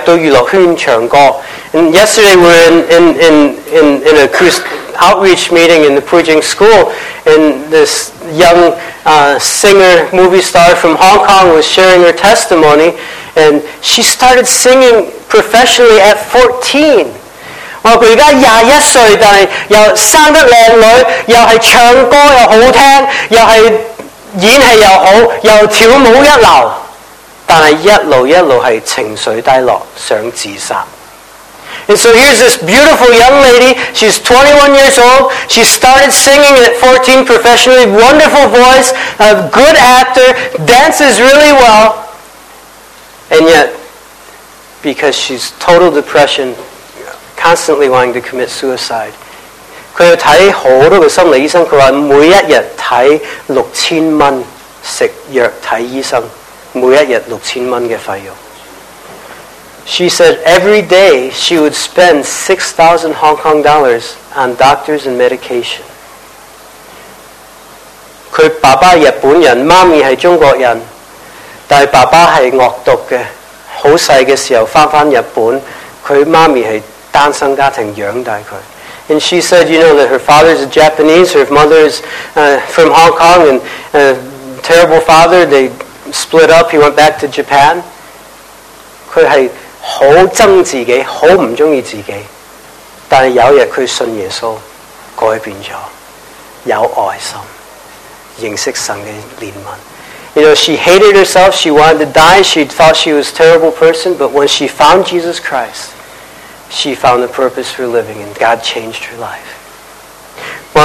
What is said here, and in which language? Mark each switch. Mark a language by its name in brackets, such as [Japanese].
[English] Yesterday we were in a outreach meeting in the Puijing school, and this young singer, movie star from Hong Kong was sharing her testimony, and she started singing professionally at 14. [Chinese] 我現在21歲 但是又生得美女 又是唱歌又好聽 又是演戲又好 又跳舞一流但是一路一路是情緒低落 想自殺. [English] And so here's this beautiful young lady. She's 21 years old. She started singing at 14 professionally. Wonderful voice, a good actor, dances really well. And yet, because she's total depression, constantly wanting to commit suicide. [Chinese] 她要看很多的心理醫生, 她說每一天看6000元, 吃藥看醫生, 每一天6000元的費用. [English] She said every day she would spend 6,000 Hong Kong dollars on doctors and medication. [Chinese] 她爸爸是日本人, 媽咪是中國人, 但是爸爸是惡毒的, 很小的時候回日本, 她媽咪是 單身家庭養大她. [English] And she said, you know, that her father is a Japanese, her mother is from Hong Kong, and a terrible father, they split up, he went back to Japan. [Chinese] 她是很憎自己, 很不喜歡自己, 但是有一天她信耶穌, 改變了, 有愛心, 認識神的憐憫. [English] You know, she hated herself, she wanted to die, she thought she was a terrible person, but when she found Jesus Christ, she found a purpose for living, and God changed her life.